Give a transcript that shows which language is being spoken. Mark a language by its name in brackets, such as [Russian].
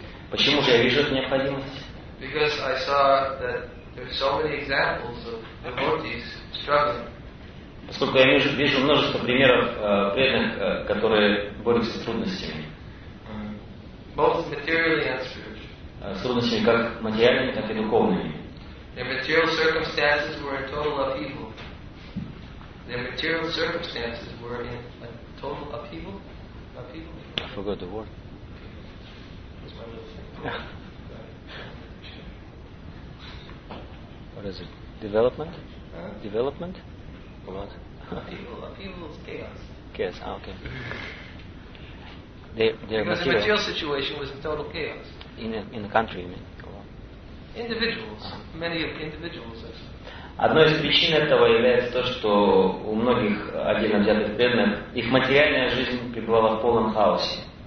[Russian] Почему же я вижу эту необходимость? Поскольку я вижу множество примеров преданных, которые борются с трудностями. [English] Both materially and spiritually. [Russian] С трудностями как материальными, так и духовными. [English] Their material circumstances were in total upheaval. Their material circumstances were in a total upheaval. I forgot the word. What is it? Development? Huh? Development? What? Upheaval is chaos. Chaos, ah, okay. Because the material situation was in total chaos. In the country, you mean? Individuals, many of individuals. [Russian] Одной из причин этого является то, что у многих отдельно взятых преданных их материальная жизнь пребывала в полном хаосе.